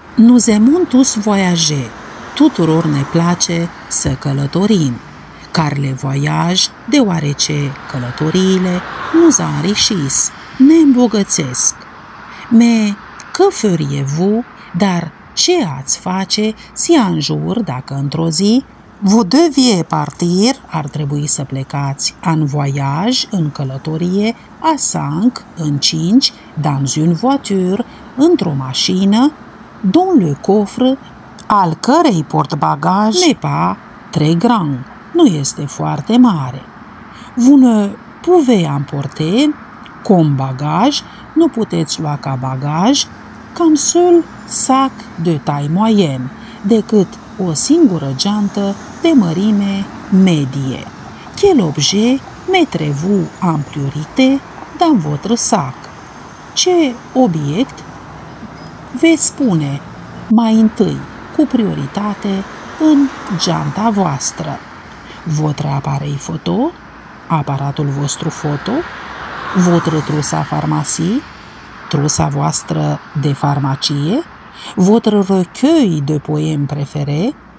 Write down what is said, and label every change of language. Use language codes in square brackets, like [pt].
[fr] Nous aimons tous voyager. [ro] Tuturor ne place să călătorim. [fr] Car le voyage, [ro] deoarece călătoriile [fr] nous enrichissent, [ro] ne îmbogățesc. [fr] Mais que feriez-vous, [ro] dar ce ați face [fr] si un jour, [ro] dacă într-o zi, [fr] vous deviez partir, [ro] ar trebui să plecați [fr] en voyage, [ro] în călătorie, [fr] à cinq, [ro] în cinci, [fr] dans une voiture, [ro] într-o mașină, [fr] dont le coffre, [ro] al cărei portbagaj, [fr] n'est pas très grand, [ro] nu este foarte mare. [fr] Vous ne pouvez emporter comme bagaj, [ro] nu puteți lua ca bagaj, [fr] qu'un seul sac de taille moyenne, [ro] decât o singură geantă de mărime medie. [fr] Quel objet mettrez-vous en priorité dans votre sac? [ro] Ce obiect veți pune mai întâi cu prioritate în geanta voastră? [fr] Votre appareil photo, [ro] aparatul vostru foto, [fr] votre trousse à pharmacie, [ro] trousa voastră de farmacie, [fr] votre recueil de poemi preferé,